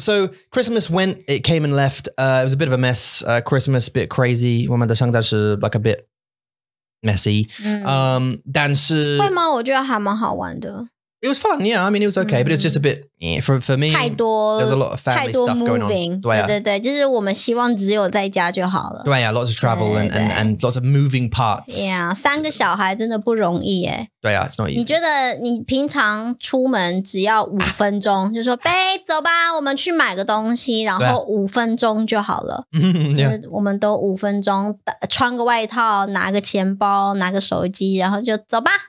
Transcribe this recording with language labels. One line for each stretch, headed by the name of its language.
English: So Christmas went, it came and left. It was a bit of a mess. Christmas, a bit crazy. 我们的圣诞是 like a bit messy. 但是...
Chinese: 会吗?我觉得还蛮好玩的。
English: It was fun, yeah. I mean, it was okay, but it's just a bit, for me,
Chinese: 太多,
English: there's a lot of family stuff moving,
Chinese: 对对对, 就是我们希望只有在家就好了。
English: 对啊, lots of travel and lots of moving parts.
Chinese: Yeah, 三个小孩真的不容易耶。
English: 对啊, it's not easy.
Chinese: 你觉得你平常出门只要五分钟, 就说, 走吧, 我们去买个东西, 然后五分钟就好了。
English: Yeah.
Chinese: 我们都五分钟, 穿个外套, 拿个钱包, 拿个手机, 然后就走吧。